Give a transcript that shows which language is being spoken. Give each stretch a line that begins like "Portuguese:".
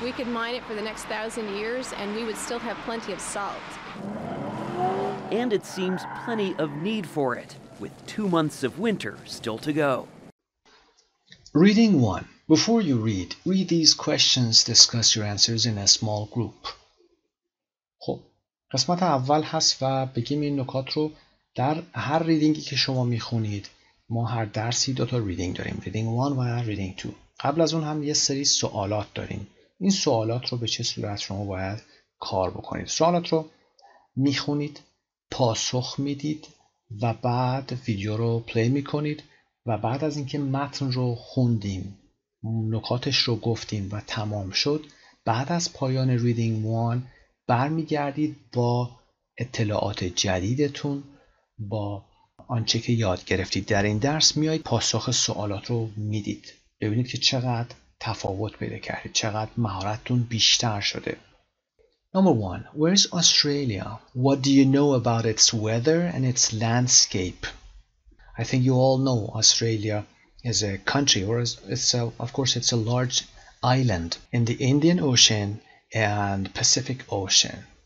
English: We could mine it for the next 1,000 years and we would still have plenty of salt. And it seems plenty of need for it, with 2 months of winter still to go. Reading 1. Before you read, read these questions, discuss your answers in a small group.
Persian: قسمت اول هست و بگیم این نکات رو در هر ریدینگی که شما میخونید. ما هر درسی دو تا ریدینگ داریم. ریدینگ 1 و ریدینگ 2. قبل از اون هم یه سری سوالات داریم. این سوالات رو به چه صورت شما باید کار بکنید؟ سوالات رو میخونید، پاسخ میدید و بعد ویدیو رو پلی میکنید و بعد از اینکه متن رو خوندیم، نکاتش رو گفتیم و تمام شد، بعد از پایان ریدینگ 1 برمیگردید با اطلاعات جدیدتون، با آنچه که یاد گرفتید در این درس، میایید پاسخ سوالات رو میدید. ببینید که چقدر تفاوت پیدا کردید، چقدر مهارتتون بیشتر شده.
English: Number 1. Where is Australia? What do you know about its weather and its landscape? I think you all know Australia is a country, or it's a large island in the Indian Ocean and Pacific Ocean.